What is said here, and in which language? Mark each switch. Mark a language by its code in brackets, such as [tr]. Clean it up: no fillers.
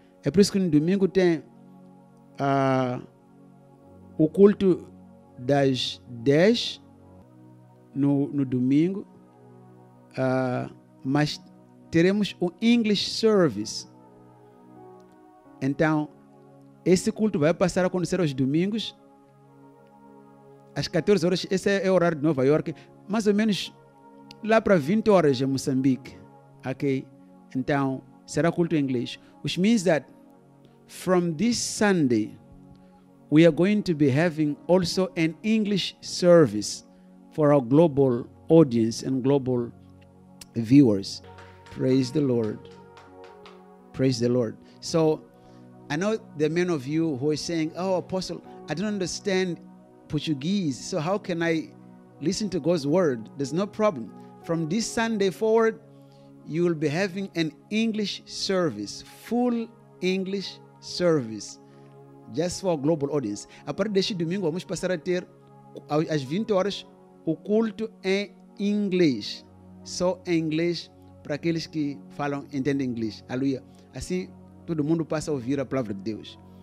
[pt] É por isso que no domingo tem o culto das 10 no domingo, mas teremos um English service. Então, esse culto vai passar a acontecer aos domingos, às 14 horas, esse é o horário de Nova York, mais ou menos lá para 20 horas em Moçambique, ok? Então, será culto em inglês, [en] which means that from this Sunday, we are going to be having also an English service for our global audience and global viewers. Praise the Lord. Praise the Lord. So, I know the many of you who are saying, oh, Apostle, I don't understand Portuguese, so how can I listen to God's word? There's no problem. From this Sunday forward, you will be having an English service, full English service, just for a global audience. [pt] A partir deste domingo, vamos passar a ter, às 20 horas, o culto em inglês. Só em inglês, para aqueles que falam, entendem inglês. Aleluia. Assim, todo mundo passa a ouvir a palavra de Deus.